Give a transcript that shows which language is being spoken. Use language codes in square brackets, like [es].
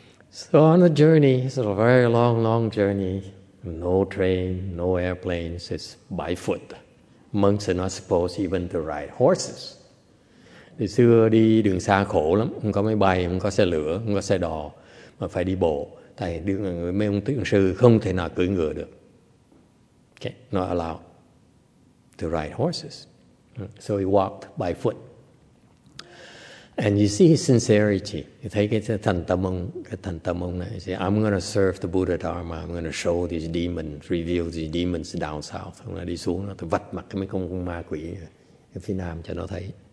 [en] So on the journey, it's a very long, long journey. No train, no airplanes, it's by foot. Monks are not supposed even to ride horses. [vi] Thì xưa đi đường xa khổ lắm, không có máy bay, không có xe lửa, không có xe đò, mà phải đi bộ. Tại đường người mấy ông tuyển sư không thể nào cưỡi ngựa được. [en] Okay, not allowed to ride horses. So he walked by foot. And you see his sincerity. You take it to [vi] thành tâm ông này. [en] You say, I'm going to serve the Buddha Dharma. I'm going to show these demons, reveal these demons down south. [vi] Ông đi xuống, nó vạch mặt cái mấy con ma quỷ ở phía nam cho nó thấy.